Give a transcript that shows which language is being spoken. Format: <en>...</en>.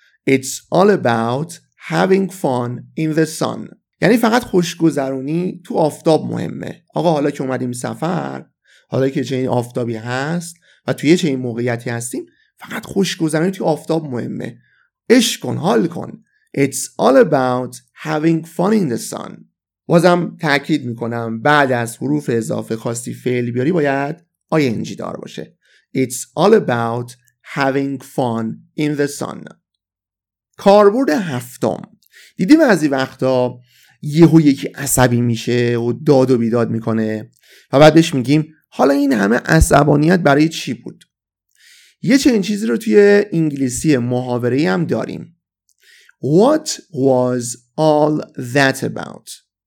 <en>It's all about having fun in the sun.</en> <fa>یعنی فقط خوشگذرونی تو آفتاب مهمه. آقا حالا که اومدیم سفر، حالا که چنین آفتابی هست و توی یه چنین موقعیتی هستیم، فقط خوشگذرونی تو آفتاب مهمه. عشق کن، حال کن.</fa> <en>It's all about having fun in the sun.</en> <fa>بازم تأکید میکنم بعد از حروف اضافه خواستی فعل بیاری باید ing دار باشه.</fa> <en>It's all about having fun in the sun.</en> <fa>کاربرد هفتم. دیدی بعضی وقتا یهو یکی عصبی میشه و داد و بیداد میکنه و بعدش میگیم حالا این همه عصبانیت برای چی بود؟ یه چنین چیزی رو توی انگلیسی محاوره ای هم داریم.</fa> <en>What was all that about?</en>